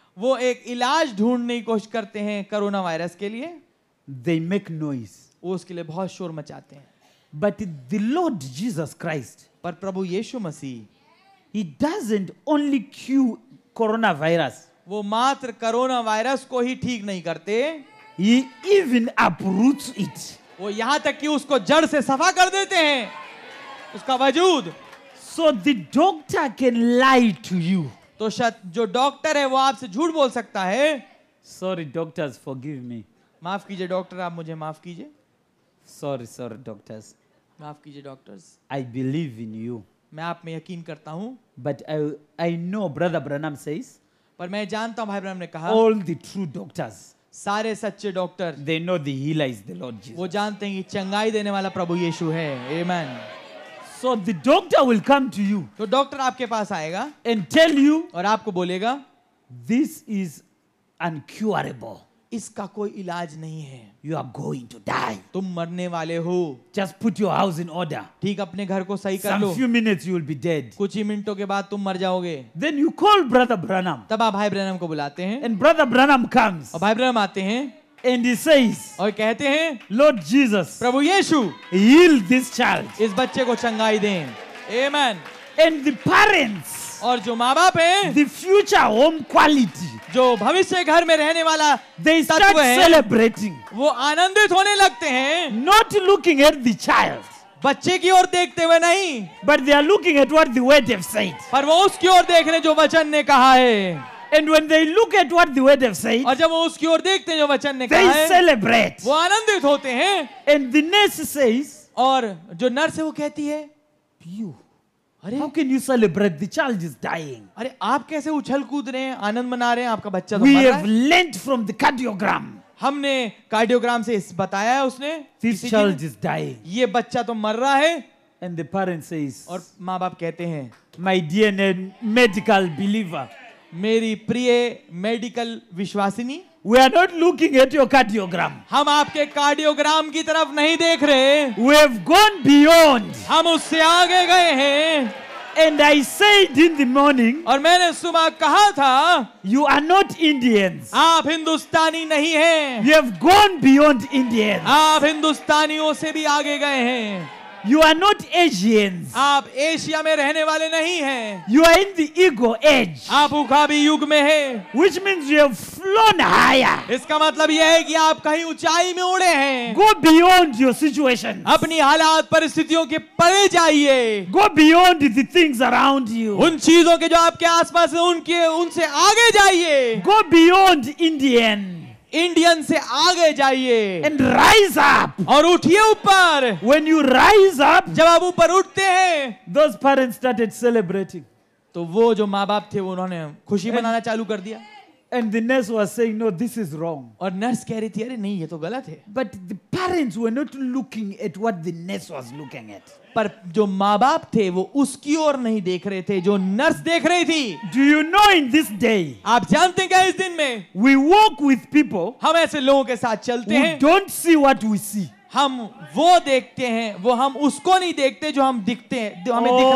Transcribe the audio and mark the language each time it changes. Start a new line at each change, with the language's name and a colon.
Hindi: वो एक इलाज ढूंढने की कोशिश करते हैं कोरोना वायरस के लिए.
English: They make noise.
Hindi: वो उसके लिए बहुत शोर मचाते हैं.
English: But the Lord Jesus Christ.
Hindi: पर प्रभु यीशु मसीह.
English: He doesn't only cure coronavirus.
Hindi: वो मात्र कोरोना वायरस को ही ठीक नहीं करते.
English: He even uproots it.
Hindi: वो यहां तक कि उसको जड़ से सफा कर देते हैं उसका वजूद.
English: So the doctor can lie to you.
Hindi: तो जो डॉक्टर है वो आपसे झूठ बोल सकता है.
English: Sorry doctors, forgive me.
Hindi: माफ कीजिए डॉक्टर, आप मुझे माफ कीजिए.
English: Sorry doctors.
Hindi: माफ कीजिए doctors.
English: I believe in you.
Hindi: मैं आप में यकीन करता हूँ.
English: But I know brother Branham says.
Hindi: पर मैं जानता हूँ भाई ब्रह्म ने कहा.
English: All the true doctors.
Hindi: सारे सच्चे doctor.
English: They know the healer is the Lord Jesus.
Hindi: वो जानते हैं कि चंगाई देने वाला प्रभु यीशु है.
English: Amen. So the doctor will come to you.
Hindi: तो डॉक्टर आपके पास आएगा.
English: And tell you.
Hindi: और आपको बोलेगा.
English: This is incurable.
Hindi: इसका कोई इलाज नहीं है.
English: You are going to die.
Hindi: तुम मरने वाले हो.
English: Just put your house in order.
Hindi: ठीक अपने घर को सही कर लो.
English: Some few minutes you will be dead.
Hindi: कुछ ही मिनटों के बाद तुम मर जाओगे.
English: Then you call brother Branham.
Hindi: तब आप भाई ब्रैनम को बुलाते हैं.
English: And brother Branham comes.
Hindi: और भाई ब्रैनम आते हैं.
English: And he says.
Hindi: और कहते हैं.
English: Lord Jesus.
Hindi: Prabhu Yeshu.
English: Heal this child.
Hindi: इस बच्चे को चंगाई दें. Amen.
English: And the parents.
Hindi: और जो माँ बाप है.
English: The future home quality.
Hindi: जो भविष्य घर में रहने वाला
English: they start celebrating.
Hindi: वो आनंदित होने लगते हैं.
English: Not looking at the child.
Hindi: बच्चे की ओर देखते हुए नहीं.
English: But they are looking at what the word has said.
Hindi: पर वो उसकी ओर देख रहे जो वचन ने कहा है.
English: and when they look at what the word have said,
Hindi: और जब वो उसकी ओर देखते हैं जो वचन ने कहा
English: है, they celebrate.
Hindi: वो आनंदित होते हैं.
English: And the nurse says,
Hindi: और जो नर्स है वो कहती है,
English: you. अरे, how can you celebrate? The child is dying.
Hindi: अरे आप कैसे उछल कूद रहे हैं, आनंद मना रहे हैं, आपका बच्चा तो मर रहा है.
English: We have learnt from the cardiogram.
Hindi: हमने कार्डियोग्राम से इस बताया है उसने.
English: This child is dying.
Hindi: ये बच्चा तो मर रहा है.
English: And the parent says,
Hindi: और माँ बाप कहते हैं,
English: my dear medical believer,
Hindi: मेरी प्रिय medical विश्वासिनी,
English: we are not looking at your cardiogram.
Hindi: हम आपके कार्डियोग्राम की तरफ नहीं देख रहे.
English: We have gone beyond.
Hindi: हम उससे आगे गए हैं.
English: And I said in the morning,
Hindi: और मैंने सुबह कहा था,
English: you are not Indians.
Hindi: आप हिंदुस्तानी नहीं हैं.
English: You have gone beyond Indians.
Hindi: आप हिंदुस्तानियों से भी आगे गए हैं.
English: You are not Asians.
Hindi: आप एशिया में रहने वाले नहीं हैं.
English: You are in the ego age.
Hindi: आप उकाबी युग में हैं.
English: Which means you have flown higher.
Hindi: इसका मतलब यह है कि आप कहीं ऊंचाई में उड़े हैं.
English: Go beyond your situation.
Hindi: अपनी हालात परिस्थितियों के परे जाइए.
English: Go beyond the things around you.
Hindi: उन चीजों के जो आपके आसपास हैं उनके उनसे आगे जाइए.
English: Go beyond Indian.
Hindi: इंडियन से आगे जाइए.
English: And rise up.
Hindi: और उठिए ऊपर.
English: When you rise up.
Hindi: जब आप ऊपर उठते हैं.
English: Those parents started celebrating.
Hindi: तो वो जो माँ बाप थे वो उन्होंने खुशी मनाना चालू कर दिया.
English: And the nurse was saying, no, this is wrong.
Hindi: और नर्स कह रही थी, अरे नहीं ये तो गलत है.
English: But the parents were not looking at what the nurse was looking at.
Hindi: पर जो माँ बाप थे वो उसकी ओर नहीं देख रहे थे जो नर्स देख रही थी.
English: Do you know in this day?
Hindi: आप जानते हैं क्या इस दिन में?
English: We walk with people.
Hindi: हम ऐसे लोगों के साथ चलते हैं.
English: We don't see what we see.
Hindi: हम वो देखते हैं वो हम उसको नहीं देखते जो हम दिखते हैं जो हमें दिख